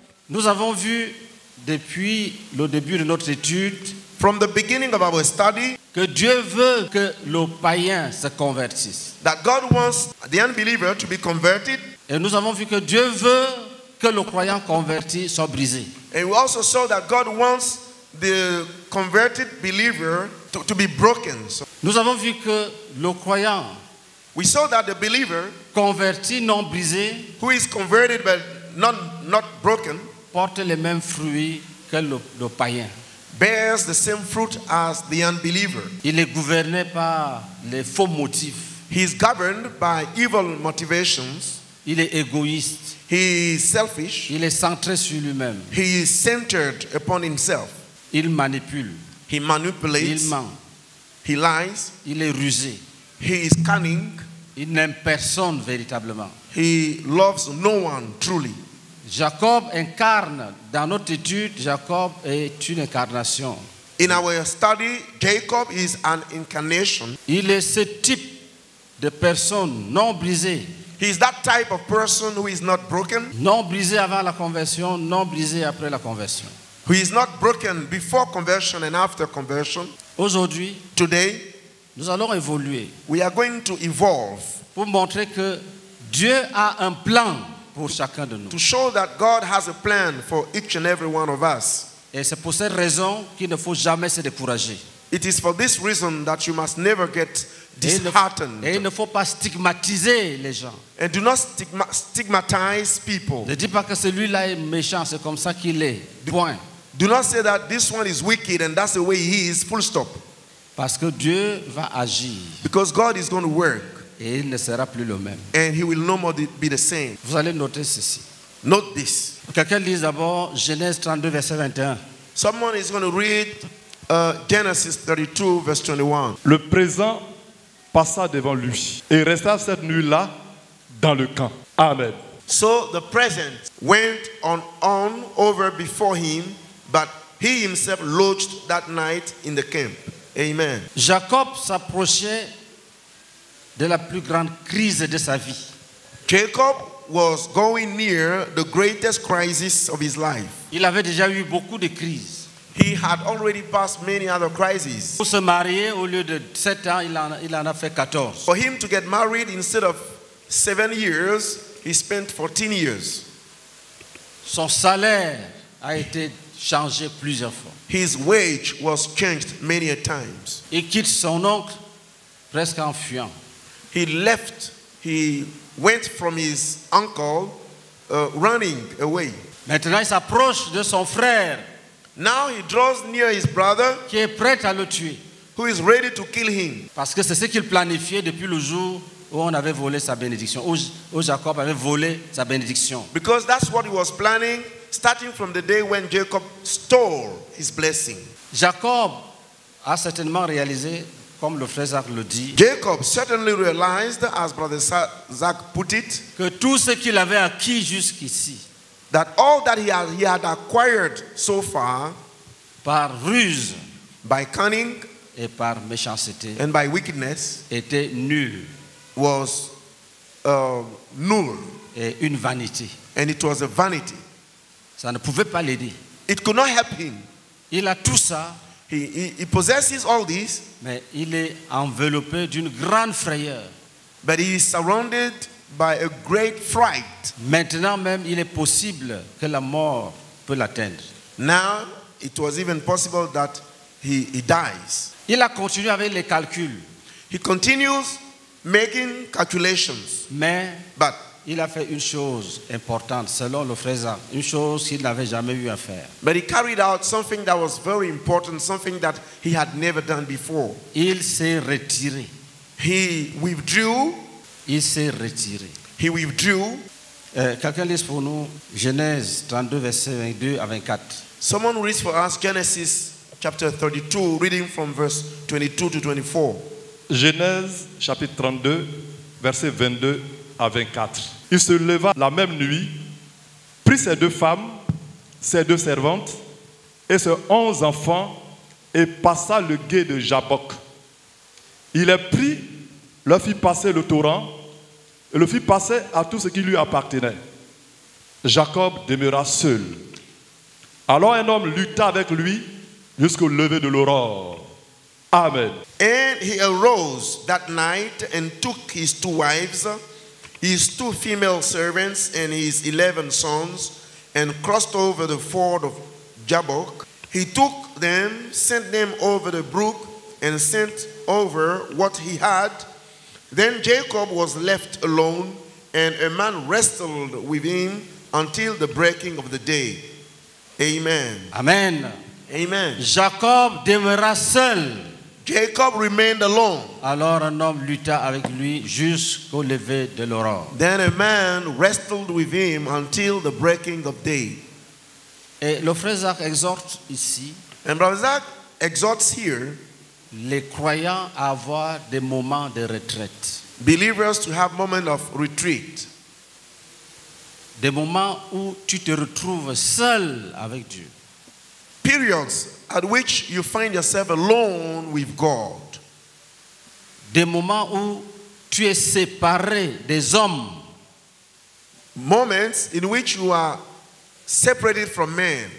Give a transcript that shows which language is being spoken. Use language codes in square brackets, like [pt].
[fr] Nous avons vu depuis le début de notre étude [en] from the beginning of our study [fr] que Dieu veut que le païen se convertisse. [en] That God wants the unbeliever to be converted. [fr] Et nous avons vu que Dieu veut que le croyant converti soit brisé. [en] And we also saw that God wants the converted believer to be broken. So [fr] nous avons vu que le croyant [en] we saw that the believer [fr] converti non brisé [en] who is converted but not broken [fr] porte les mêmes fruits que le païen. [en] Bears the same fruit as the unbeliever. [fr] Il est gouverné par les faux motifs. [en] He is governed by evil motivations. [fr] Il est égoïste. [en] He is selfish. [fr] Il est centré sur lui-même. [en] He is centered upon himself. [fr] Il manipule. [en] He manipulates. [fr] Il ment. [en] He lies. [fr] Il est rusé. [en] He is cunning. [fr] Il n'aime personne véritablement. [en] He loves no one truly. [fr] Jacob incarne dans notre étude. Jacob est une incarnation. [en] In our study, Jacob is an incarnation. [fr] Il est ce type de personne non brisée. [en] He is that type of person who is not broken. [fr] Non brisé avant la conversion, non brisé après la conversion. [en] Who is not broken before conversion and after conversion. [fr] Aujourd'hui, [en] today, [fr] nous allons évoluer. [en] We are going to evolve. [fr] Pour montrer que Dieu a un plan. Pour chacun de nous. [en] To show that God has a plan for each and every one of us. [fr] Et c'est pour cette raison qu'il ne faut jamais se décourager. [en] It is for this reason that you must never get disheartened. [fr] Et il ne faut pas stigmatiser les gens. [en] And do not stigmatize people. [fr] Ne dis pas que celui-là est méchant, c'est comme ça qu'il est. Point. [en] Do not say that this one is wicked and that's the way he is. Full stop. [fr] Parce que Dieu va agir. [en] Because God is going to work. [fr] Et il ne sera plus le même. [en] And he will no more be the same. [fr] Vous allez noter ceci. [en] Note this. [fr] Quelqu'un lise d'abord Genèse 32 verset 21. [en] Someone is going to read Genesis 32 verse 21. [fr] Le présent passa devant lui et resta cette nuit-là dans le camp. Amen. [en] So the present went on over before him, but he himself lodged that night in the camp. Amen. [fr] Jacob s'approchait de la plus grande crise de sa vie. [en] Jacob was going near the greatest crisis of his life. [fr] Il avait déjà eu beaucoup de crises. [en] He had already passed many other crises. [fr] Pour se marier, au lieu de 7 ans, il en a fait 14. [en] For him to get married, instead of 7 years, he spent 14 years. [fr] Son salaire a été changé plusieurs fois. [en] His wage was changed many a times. [fr] Il quitte son oncle presque en fuyant. [en] He left, he went from his uncle running away. [fr] Maintenant, il s'approche de son frère. [en] Now he draws near his brother [fr] qui est prêt à le tuer. [en] Who is ready to kill him. [fr] Parce que c'est ce qu'il planifiait depuis le jour où on avait volé sa bénédiction, où Jacob avait volé sa bénédiction. [en] Because that's what he was planning starting from the day when Jacob stole his blessing. [fr] Jacob a certainement réalisé comme le frère Zach le dit, [en] Jacob certainly realized, as brother Zach put it, [fr] que tout ce qu'il avait acquis jusqu'ici, [en] that all that he had acquired so far, [fr] par ruse, [en] by cunning, [fr] et par méchanceté, [en] and by wickedness, [fr] était nul, [en] was null, [fr] et une vanité, [en] and it was a vanity. [fr] Ça ne pouvait pas l'aider. [en] It could not help him. [fr] Il a tout ça. [en] He possesses all this, [fr] mais il est enveloppé d'une grande frayeur. [en] But he is surrounded by a great fright. [fr] Maintenant même, il est possible que la mort peut l'atteindre. [en] Now it was even possible that he dies. [fr] Il a continué avec les calculs. [en] He continues making calculations. [fr] Mais [en] but [fr] il a fait une chose importante, selon le frère, une chose qu'il n'avait jamais eu à faire. [en] But he carried out something that was very important, something that he had never done before. [fr] Il s'est retiré. [en] He withdrew. [fr] Il s'est retiré. [en] He withdrew. [fr] Quelqu'un lise pour nous Genèse 32, verset 22 à 24. [en] Someone reads for us Genesis chapter 32, reading from verse 22 to 24. [fr] Genèse chapitre 32, verset 22. À 24. Il se leva la même nuit, prit ses deux femmes, ses deux servantes et ses 11 enfants et passa le gué de Jabbok. Il les prit, leur fit passer le torrent et le fit passer à tout ce qui lui appartenait. Jacob demeura seul. Alors un homme lutta avec lui jusqu'au lever de l'aurore. Amen. [en] And he arose that night and took his two wives, his two female servants, and his 11 sons, and crossed over the ford of Jabbok. He took them, sent them over the brook, and sent over what he had. Then Jacob was left alone, and a man wrestled with him until the breaking of the day. Amen. Amen. Amen. [fr] Jacob demeura seul. [en] Jacob remained alone. [fr] Alors un homme lutta avec lui jusqu'au lever de l'aurore. [en] Then a man wrestled with him until the breaking of day. [fr] Et le frère Zach exhorte ici. [en] And Brother Zach exhorts here. [fr] Les croyants à avoir des moments de retraite. [en] Believers to have moments of retreat. [fr] Des moments où tu te retrouves seul avec Dieu. [en] Periods at which you find yourself alone with God. [fr] Des moments où tu es séparé des hommes. [en] Moments in which you are separated from men.